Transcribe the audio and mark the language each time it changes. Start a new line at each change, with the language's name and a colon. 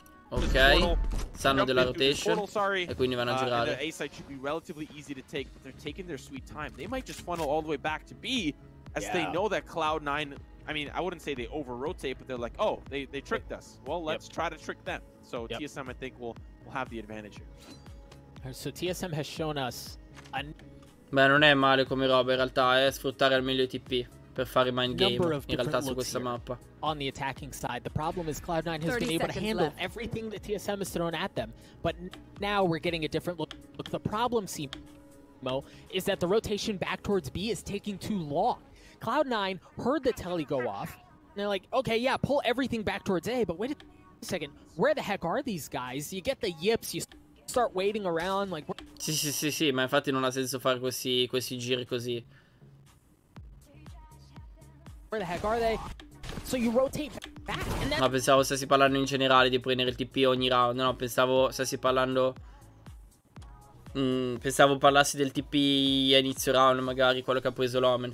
Italian: Ok, sanno della rotation e quindi vanno a girare.
English: I wouldn't say they over-rotate, but they're like, oh, they tricked us. Well, let's try to trick them. So TSM, I think, will have the advantage here. So TSM has shown us...
Italian: Beh, non è male come roba, in realtà, è sfruttare al meglio i TP per fare mind game, in realtà, su questa mappa.
English: On the attacking side, the problem is Cloud9 has been able to handle everything that TSM has thrown at them. But now we're getting a different look. The problem, Simo, is that the rotation back towards B is taking too long. Cloud9 heard the telly go off, and they're like, okay, yeah, pull everything back towards A, but wait a second, where the heck are these guys? You get the yips, you start waiting around, like...
Italian: Sì, sì, sì, sì, ma infatti non ha senso fare questi, questi giri così.
English: Where the heck are they? So you rotate back, and then...
Italian: Ma pensavo stessi parlando in generale di prendere il TP ogni round. No, pensavo stessi parlando... pensavo parlassi del TP a inizio round, magari, quello che ha preso l'Omen.